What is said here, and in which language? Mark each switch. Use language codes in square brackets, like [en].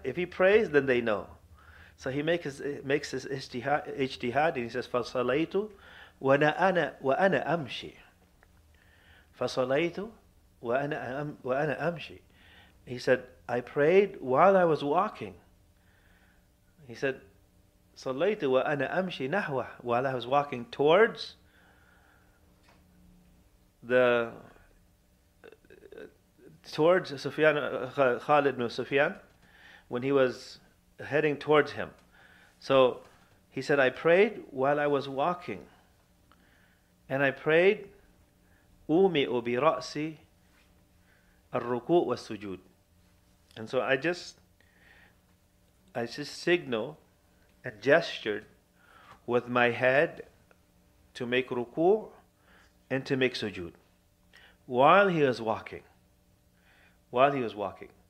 [en] If he prays, then they know. So he makes his ijtihad and he says, [ar] فَصَلَيْتُ وَأَنَا أَمْشِي. فَصَلَيْتُ وَأَنَا أَمْشِي. [en] He said, I prayed while I was walking. He said, [ar] صَلَيْتُ وَأَنَا أَمْشِي نَحْوَ. [en] While I was walking towards the towards Sufyan, Khalid ibn Sufyan, when he was heading towards him. So he said, I prayed while I was walking. And I prayed, [ar] أُومِئُ بِرَأْسِ الرُّكُوءُ وَالسُّجُودُ. [en] And so I just signal and gestured with my head to make ruku' and to make sujood while he was walking. While he was walking.